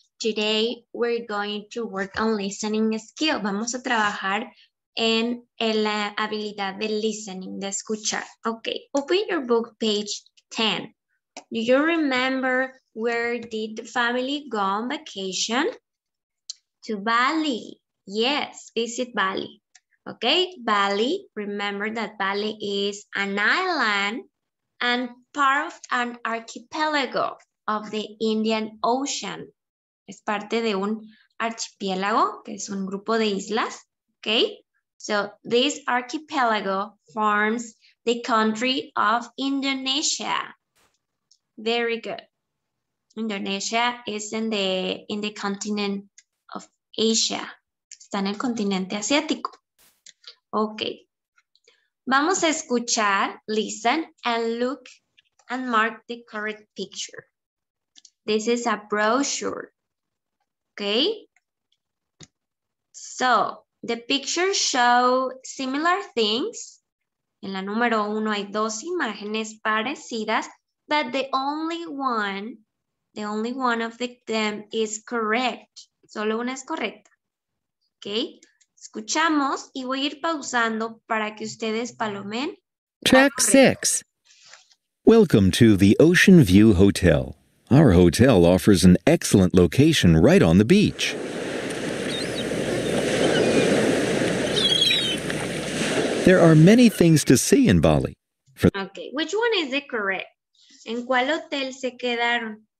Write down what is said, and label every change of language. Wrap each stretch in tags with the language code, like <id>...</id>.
<en>Today we're going to work on listening skill.</en> <es>Vamos a trabajar en la habilidad de listening, de escuchar.</es> <en>Okay, open your book page 10. Do you remember where did the family go on vacation? To Bali. Yes, visit Bali. Okay, Bali, remember that Bali is an island and part of an archipelago of the Indian Ocean.</en> <es>Es parte de un archipiélago, que es un grupo de islas.</es> <en>Okay, so this archipelago forms the country of Indonesia. Very good. Indonesia is in the continent of Asia.</en> <es>Está en el continente asiático. Okay. Vamos a escuchar,</es> <en>listen, and look and mark the correct picture. This is a brochure. Okay. So, the picture shows similar things.</en> <es>En la número uno hay dos imágenes parecidas,</es> <en>but the only one of them is correct.</en> <es>Solo una es correcta. Okay. Escuchamos y voy a ir pausando para que ustedes palomen.</es> <en>Track 6. Welcome to the Ocean View Hotel. Our hotel offers an excellent location right on the beach. There are many things to see in Bali. Okay, which one is the correct?</en> <es>¿En cuál hotel se quedaron?</es>